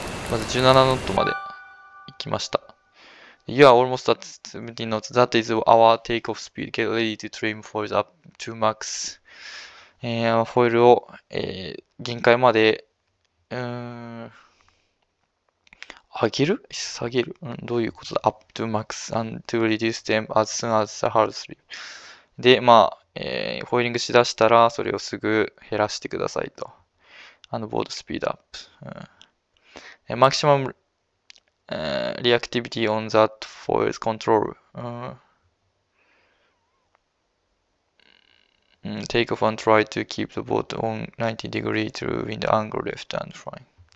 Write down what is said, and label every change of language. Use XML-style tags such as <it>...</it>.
<ja>まず17ノットまで、行きました。</ja> <en>You are almost at 17 knots. That is our takeoff speed. Get ready to trim foils up to max.</en> <ja>フォイルを、限界まで、上げる？下げる？どういうことだ？</ja> <en>Up to max and to reduce them as soon as the hulls leave.</en> <ja>で、まあ、フォイリングしだしたら、それをすぐ減らしてくださいと。</ja> <en>ボードスピードアップ。マキシマム、リアクティビティオンザットフォイルズコントロール。 Take off and try to keep the boat on 90 degree to wind angle left and flying.</en>